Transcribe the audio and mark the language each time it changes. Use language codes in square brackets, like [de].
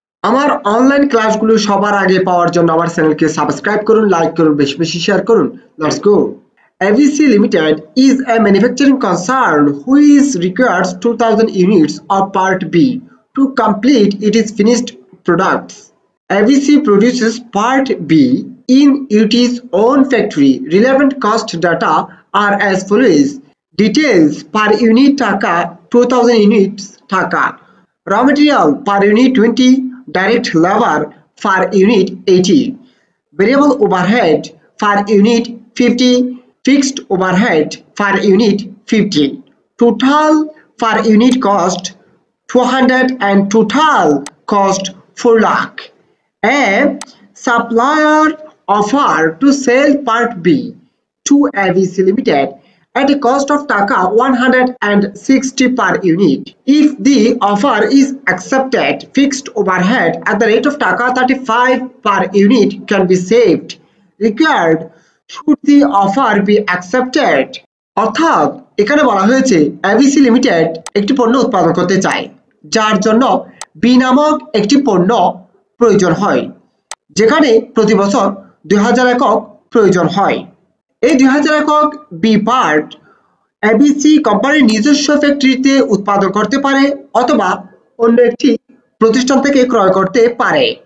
[bn] আমার অনলাইন ক্লাসগুলো সবার আগে পাওয়ার জন্য আমার চ্যানেলকে সাবস্ক্রাইব করুন, লাইক করুন, বেশি বেশি শেয়ার করুন। [en] Let's go. ABC limited is a manufacturing concern who is requires 2000 units of part B to complete it is finished products. ABC produces part B in UT's own factory. Relevant cost data are as follows. Details: per unit taka 2000 units taka. Raw material per unit 20, direct labor per unit 80. Variable overhead per unit 50, fixed overhead per unit 50. Total per unit cost 200 and total cost 4 lakh. A supplier offer to sell part B to ABC Limited at a cost of taka 160 per unit. If the offer is accepted, fixed overhead at the rate of taka 35 per unit can be saved. Required should the offer be accepted. [bn] অর্থাৎ এখানে বলা হয়েছে ABC Limited একটি পণ্য উৎপাদন করতে চায় যার জন্য B নামক একটি পণ্য প্রয়োজন হয়, যেখানে প্রতি বছর 2000 একক প্রয়োজন হয়। এই 2000 একক বি পার্ট এবিসি কোম্পানির নিজস্ব ফ্যাক্টরিতে উৎপাদন করতে পারে অথবা অন্য একটি প্রতিষ্ঠান থেকে ক্রয় করতে পারে।